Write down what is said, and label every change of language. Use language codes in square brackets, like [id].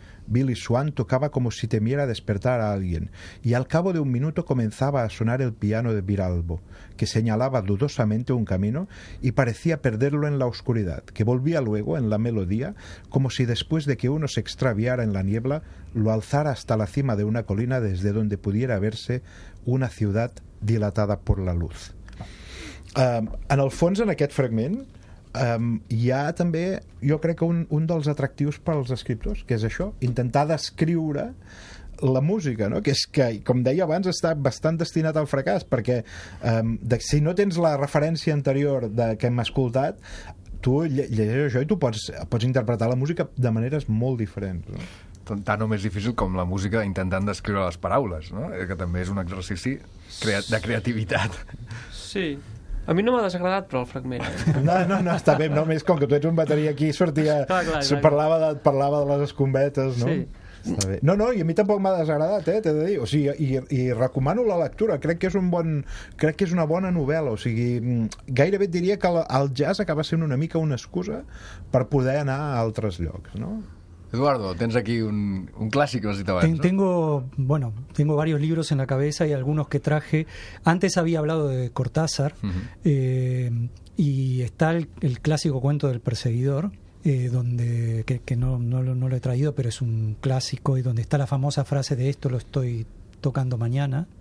[es] Billy Swan tocaba como si temiera despertar a alguien, y al cabo de un minuto comenzaba a sonar el piano de Viralbo, que señalaba dudosamente un camino y parecía perderlo en la oscuridad, que volvía luego en la melodía, como si después de que uno se extraviara en la niebla, lo alzara hasta la cima de una colina desde donde pudiera verse una ciudad dilatada por la luz. [ca] En el fons, en aquest fragment, hi ha també, jo crec que un dels atractius per als escriptors, que és això, intentar descriure la música, no? Que és que, com deia abans, està bastant destinat al fracàs, perquè si no tens la referència anterior de que hem escoltat, tu llegeixes això i tu pots interpretar la música de maneres molt diferents, no? Tant o més difícil com la música intentant descriure les paraules, no? Que també és un exercici de creativitat. Sí. A mi no m'ha desagradat, però, el fragment. No, està bé. No, més com que tu ets un bateria aquí, sortia... Clar. Parlava de les escombetes, no? Sí. Està bé. No, i a mi tampoc m'ha desagradat, t'he de dir. O sigui, i recomano la lectura. Crec que és una bona novel·la. O sigui, gairebé diria que el jazz acaba sent una mica una excusa per poder anar a altres llocs, no? Eduardo, tens aquí un clàssic, has dit abans, [es] ¿no? Tengo varios libros en la cabeza y algunos que traje. Antes había hablado de Cortázar, uh-huh. Y está el clásico cuento del perseguidor, donde no lo he traído, pero es un clásico, y donde está la famosa frase de esto lo estoy tocando mañana.